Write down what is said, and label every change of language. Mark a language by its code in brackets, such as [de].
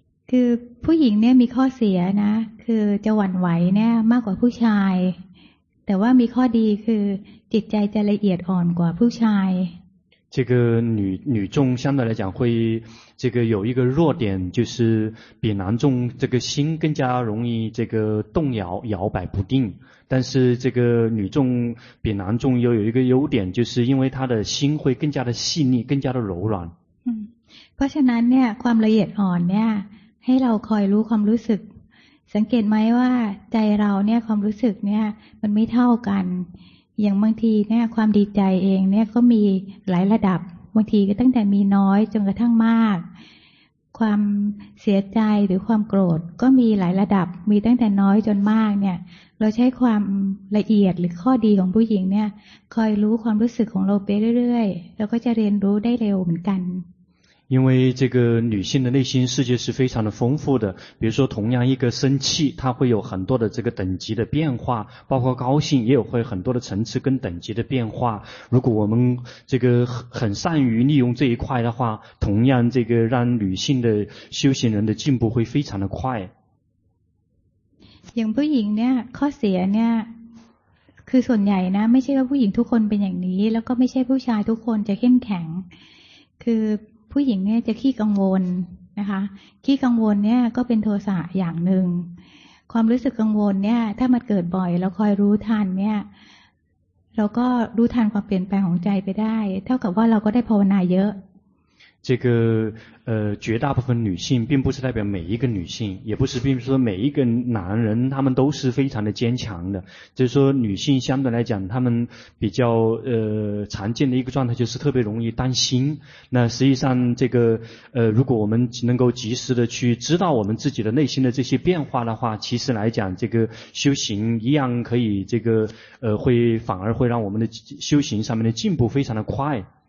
[th] คือผู้หญิงเนี่ยมีข้อเสียนะคือจะหวั่นไหวเนี่ยมากกว่าผู้ชายแต่ว่ามีข้อดีคือจิตใจจะละเอียดอ่อนกว่าผู้ชาย [zh] 这个女众相对来讲会这个有一个弱点就是比男众这个心更加容易这个动摇摇摆不定但是这个女众比男众又有一个优点就是因为她的心会更加的细腻更加的柔软 [th] 嗯เพราะฉะนั้นเนี่ยความละเอียดอ่อนเนี่ยให้เราคอยรู้ความรู้สึกสังเกตไหมว่าใจเราเนี่ยความรู้สึกเนี่ยมันไม่เท่ากันอย่างบางทีเนี่ยความดีใจเองเนี่ยก็มีหลายระดับบางทีก็ตั้งแต่มีน้อยจนกระทั่งมาก ความเสียใจหรือความโกรธก็มีหลายระดับมีตั้งแต่น้อยจนมากเนี่ยเราใช้ความละเอียดหรือข้อดีของผู้หญิงเนี่ยคอยรู้ความรู้สึกของเราไปเรื่อยๆเราก็จะเรียนรู้ได้เร็วเหมือนกัน [zh] 因为这个女性的内心世界是非常的丰富的，比如说同样一个生气，它会有很多的这个等级的变化，包括高兴也有会很多的层次跟等级的变化。如果我们这个很善于利用这一块的话，同样这个让女性的修行人的进步会非常的快。 [th] อย่างผู้หญิงเนี่ยข้อเสียเนี่ยคือส่วนใหญ่นะไม่ใช่ว่าผู้หญิงทุกคนเป็นอย่างนี้แล้วก็ไม่ใช่ผู้ชายทุกคนจะเข้มแข็งคือผู้หญิงเนี่ยจะขี้กังวลนะคะขี้กังวลเนี่ยก็เป็นโทสะอย่างหนึ่งความรู้สึกกังวลเนี่ยถ้ามันเกิดบ่อยเราคอยรู้ทันเนี่ยเราก็รู้ทันความเปลี่ยนแปลงของใจไปได้เท่ากับว่าเราก็ได้ภาวนาเยอะ [zh] 这个绝大部分女性并不是代表每一个女性，也不是并不是说每一个男人他们都是非常的坚强的，就是说女性相对来讲他们比较常见的一个状态就是特别容易担心。那实际上这个如果我们能够及时的去知道我们自己的内心的这些变化的话，其实来讲这个修行一样可以这个会反而会让我们的修行上面的进步非常的快。